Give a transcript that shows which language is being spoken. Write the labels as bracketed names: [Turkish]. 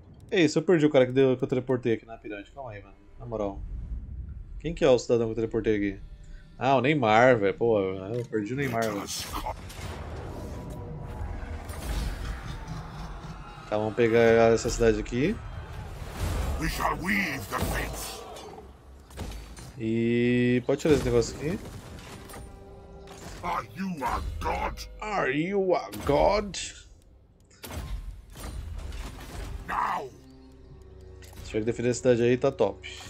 [Portuguese] Ei, se eu perdi o cara que eu teleportei aqui na pirâmide. Calma aí, mano. Na moral. Quem que é o cidadão que eu teleportei aqui? Ah, o Neymar, velho. Pô, eu perdi o Neymar, velho. Tá, vamos pegar essa cidade aqui. [English] We shall weave the fates. [Portuguese] E pode tirar esse negócio aqui. [English] Are you a god? Are you a god? [Portuguese] Now. Se tiver que defender a cidade aí, tá top.